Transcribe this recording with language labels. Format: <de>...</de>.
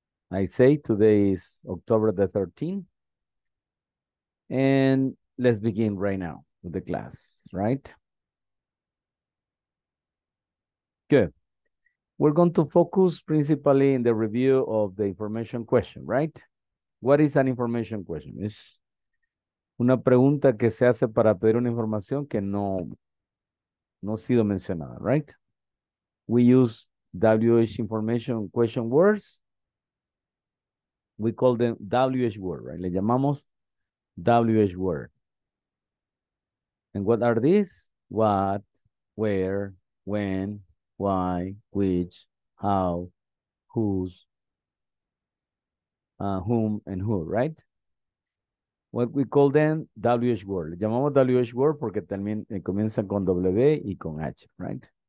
<en>I say today is October the 13th. And let's begin right now with the class, right? Good. We're going to focus principally in the review of the information question, right? What is an information question?</en> <es>Es una pregunta que se hace para pedir una información que no ha sido mencionada, right?</es> <en>We use WH information question words. We call them WH word, right?</en> <es>Le llamamos WH word.</es> <en>And what are these? What, where, when, why, which, how, whose, whom, and who, right? What we call them WH word.</en> <es>Llamamos WH word porque también comienza con W y con H, right?</es>